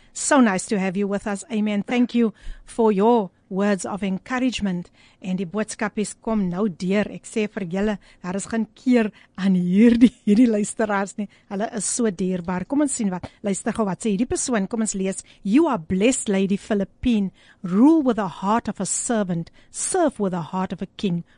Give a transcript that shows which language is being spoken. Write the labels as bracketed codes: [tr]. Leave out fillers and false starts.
[en] So nice to have you with us. Amen. Thank you for your words of encouragement. [af] En die boodskap is, kom nou deur. Ek sê vir julle, daar is geen keer aan hierdie luisteraars nie. Hulle is so dierbaar. Kom ons sien wat, luister gou wat sê hierdie persoon. Kom ons lees. [en] You are blessed, Lady Philippine. Rule with the heart of a servant. Serve with the heart of a king.